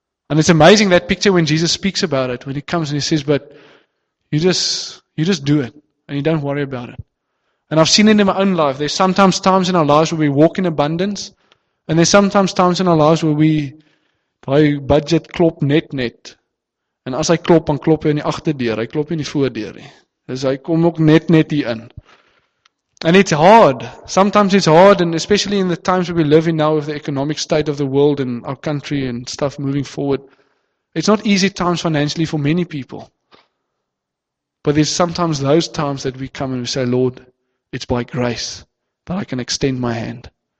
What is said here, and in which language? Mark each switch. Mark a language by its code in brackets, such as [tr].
[en] And it's amazing that picture when Jesus speaks about it, when he comes and he says, but you just do it and you don't worry about it. And I've seen it in my own life. There's sometimes times in our lives where we walk in abundance And there's sometimes times in our lives where we, by budget, [af] klop net. En as hy klop, dan klop hy in die agterdeur, hy klop in die voordeur. Dus hy kom ook net hier in. [en] And it's hard. Sometimes it's hard, and especially in the times that we live in now with the economic state of the world and our country and stuff moving forward. It's not easy times financially for many people. But there's sometimes those times that we come and we say, Lord, it's by grace that I can extend my hand.